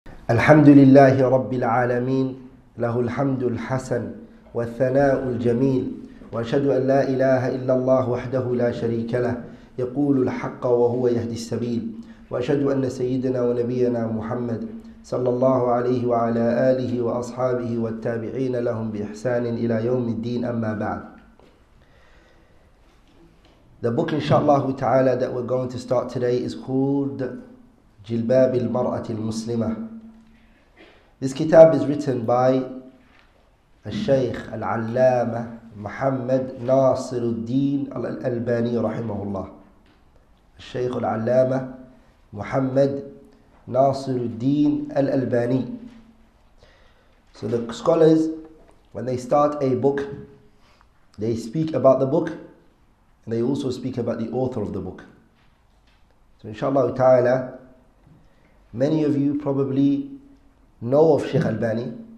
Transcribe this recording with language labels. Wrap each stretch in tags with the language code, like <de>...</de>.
<ar>الحمد لله رب العالمين له الحمد الحسن والثناء الجميل وأشهد أن لا إله إلا الله وحده لا شريك له يقول الحق وهو يهدي السبيل وأشهد أن سيدنا ونبينا محمد صلى الله عليه وعلى آله وأصحابه والتابعين لهم بإحسان إلى يوم الدين أما بعد.</ar> <en>The book inshallah ta'ala that we're going to start today is called Jilbab al-Mar'atil Muslimah. This kitab is written by الشيخ العلامة محمد ناصر الدين الألباني</en> <ar>رحمه الله. الشيخ العلامة محمد ناصر الدين الألباني.</ar> <en>So the scholars, when they start a book, they speak about the book and they also speak about the author of the book. So inshallah ta'ala, many of you probably know of Sheikh Albani.</en>